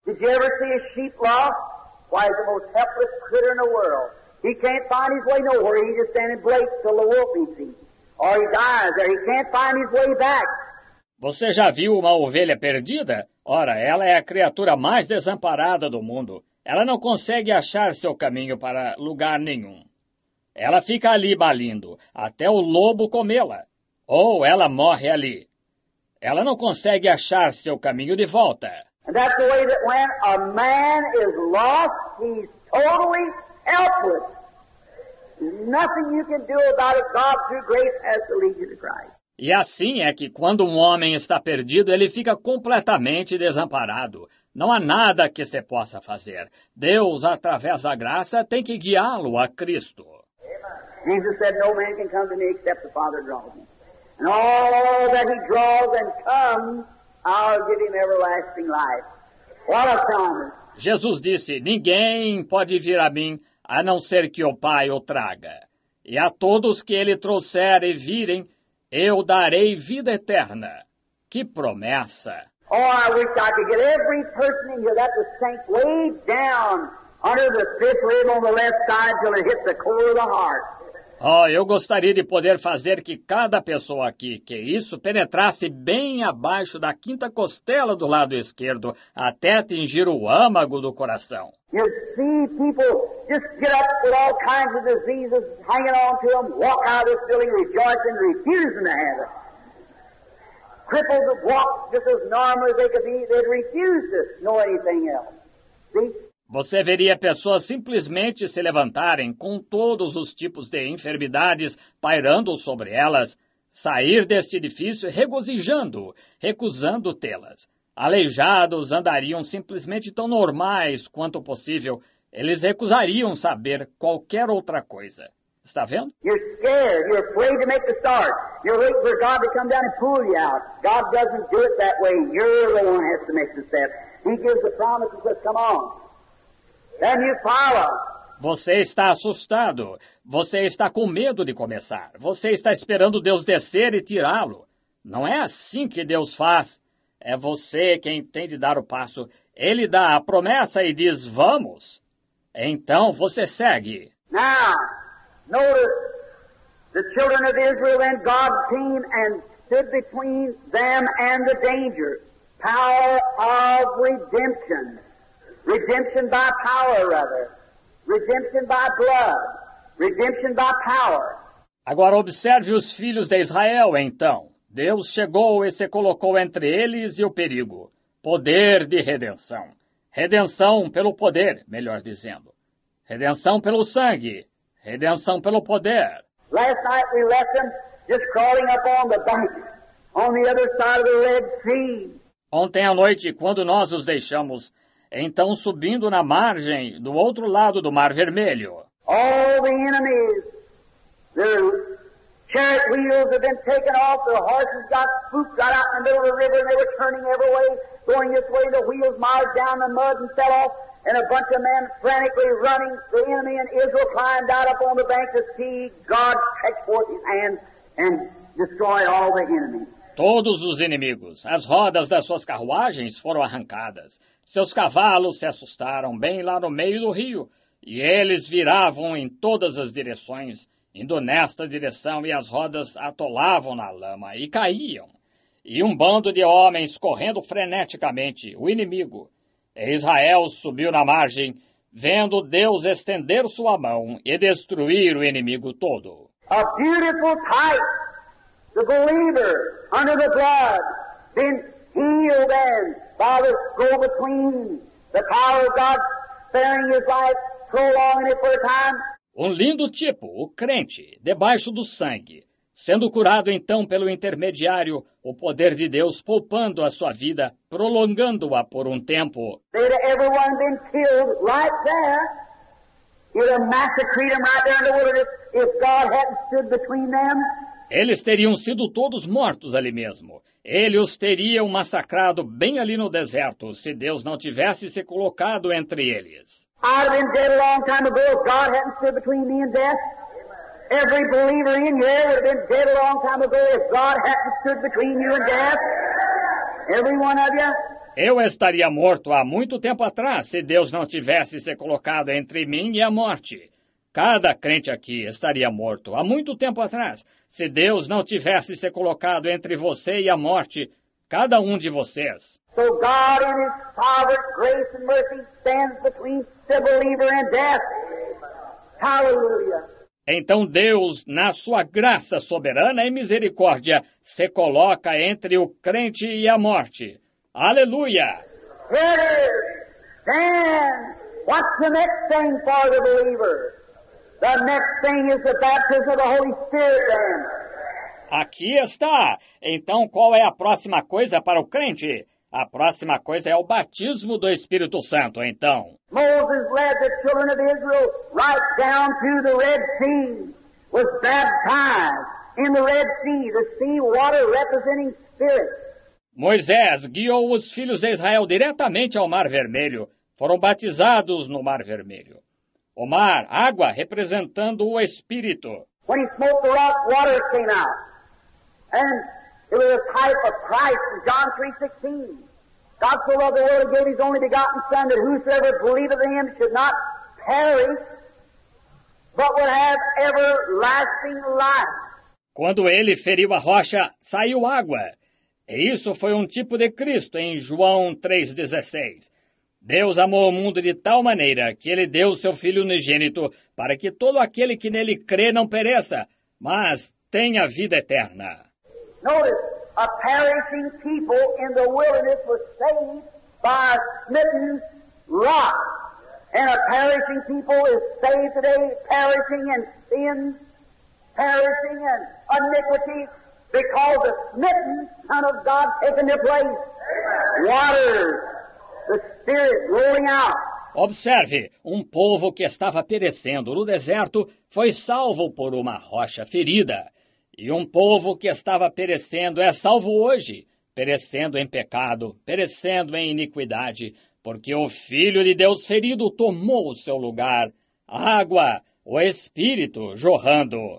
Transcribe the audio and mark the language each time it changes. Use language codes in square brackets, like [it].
[en] Did you ever see a sheep lost? Why, he's the most helpless critter in the world. He can't find his way nowhere. He's just standing blake till the wolf eats him. Or he dies there. He can't find his way back. [pt] Você já viu uma ovelha perdida? Ora, ela é a criatura mais desamparada do mundo. Ela não consegue achar seu caminho para lugar nenhum. Ela fica ali balindo, até o lobo comê-la. Ou ela morre ali. Ela não consegue achar seu caminho de volta. [en] And that's the way that when a man is lost, he's totally helpless. Nothing you can do about it. God, through grace, has to lead you to Christ. [pt] E assim é que quando um homem está perdido, ele fica completamente desamparado. Não há nada que se possa fazer. Deus, através da graça, tem que guiá-lo a Cristo. [en] Jesus said, no man can come to me except the Father draws me. And all that he draws and comes, I'll give him everlasting life. What a promise! [pt] Jesus disse, ninguém pode vir a mim a não ser que o Pai o traga. E a todos que ele trouxer e virem, eu darei vida eterna. Que promessa! [en] Oh, I wish I could get every person in here that was sank way down under the fifth rib on the left side till it hit the core of the heart. [pt] Oh, eu gostaria de poder fazer que cada pessoa aqui que isso penetrasse bem abaixo da quinta costela do lado esquerdo, até atingir o âmago do coração. [en] You see people just get up with all kinds of diseases hanging on to them, walk out of this building rejoicing, refusing to have it. Cripples that walk just as normal as they could be, they'd refuse to know anything else. See? [pt] Você veria pessoas simplesmente se levantarem com todos os tipos de enfermidades pairando sobre elas, sair deste edifício regozijando, recusando tê-las. Aleijados andariam simplesmente tão normais quanto possível. Eles recusariam saber qualquer outra coisa. Está vendo? [en] You're scared. You're afraid to make the start. You're waiting for God to come down and pull you out. God doesn't do it that way. You're the one who has to make the step. He gives the promise and says, come on. Then you follow. [pt] Você está assustado. Você está com medo de começar. Você está esperando Deus descer e tirá-lo. Não é assim que Deus faz. É você quem tem de dar o passo. Ele dá a promessa e diz, vamos. Então você segue. [en] Now, notice the children of Israel and God came and stood between them and the danger. Power of redemption. Redemption by power, rather. Redemption by blood. Redemption by power. [pt] Agora observe os filhos de Israel, então. Deus chegou e se colocou entre eles e o perigo. Poder de redenção. Redenção pelo poder, melhor dizendo. Redenção pelo sangue. Redenção pelo poder. [en] Last night we left them just crawling up on the bank, on the other side of the Red Sea. [pt] Ontem à noite, quando nós os deixamos, então subindo na margem do outro lado do Mar Vermelho. [en] All the enemies, the chariot wheels have been taken off, the horses got spooked, got out in the middle of the river, and they were turning every way, going this way, the wheels marred down the mud and fell off, and a bunch of men frantically running, the enemy and Israel climbed out up on the bank to see God stretch forth his hand and destroy all the enemies. [pt] Todos os inimigos, as rodas das suas carruagens foram arrancadas. Seus cavalos se assustaram bem lá no meio do rio, e eles viravam em todas as direções, indo nesta direção, e as rodas atolavam na lama e caíam. E um bando de homens correndo freneticamente, o inimigo. E Israel subiu na margem, vendo Deus estender sua mão e destruir o inimigo todo. [en] A beautiful sight, the believer under the blood, been healed and Father, go between the power of God sparing his life, prolonging it for a time. [pt] Um lindo tipo, o crente, debaixo do sangue, sendo curado então pelo intermediário, o poder de Deus poupando a sua vida, prolongando-a por um tempo. [en] They'd have everyone been killed right there. You'd have massacred them right there in the wilderness if God hadn't stood between them. [pt] Eles teriam sido todos mortos ali mesmo. Ele os teria massacrado bem ali no deserto, se Deus não tivesse se colocado entre eles. [en] I'd have been dead a long time ago if God hadn't stood between me and death. Every believer in here would have been dead a long time ago if God hadn't stood between you and death. Every one of you. [pt] Eu estaria morto há muito tempo atrás se Deus não tivesse se colocado entre mim e a morte. Cada crente aqui estaria morto há muito tempo atrás, se Deus não tivesse se colocado entre você e a morte, cada um de vocês. [en] So God in his sovereign grace and mercy stands between the believer and death. Hallelujah. [pt] Então Deus, na sua graça soberana e misericórdia, se coloca entre o crente e a morte. Aleluia. [en] Here it is. What's the next thing for the believer? The next thing is the baptism of the Holy Spirit, then. [pt] Aqui está. Então, qual é a próxima coisa para o crente? A próxima coisa é o batismo do Espírito Santo, então. [en] Moses led the children of Israel right down to the Red Sea, was baptized in the Red Sea, the sea water representing Spirit. [pt] Moisés guiou os filhos de Israel diretamente ao Mar Vermelho. Foram batizados no Mar Vermelho. O mar, água, representando o Espírito. [en] When he smote the rock, water came out. And it was a type of Christ in John 3:16. God so loved the world, he gave his only begotten Son, that whosoever believeth in him should not perish, but will have everlasting life. [pt] Quando ele feriu a rocha, saiu água. E isso foi um tipo de Cristo em João 3,16. Deus amou o mundo de tal maneira que ele deu seu Filho unigênito para que todo aquele que nele crê não pereça, mas tenha vida eterna. [en] Notice, a perishing people in the wilderness was saved by a smitten rock. And a perishing people is saved today, perishing in sin, perishing in iniquity, because the smitten Son of God taken their place. Water, the Spirit rolling out. [pt] Observe, um povo que estava perecendo no deserto foi salvo por uma rocha ferida. E um povo que estava perecendo é salvo hoje, perecendo em pecado, perecendo em iniquidade, porque o Filho de Deus ferido tomou o seu lugar, a água, o Espírito jorrando.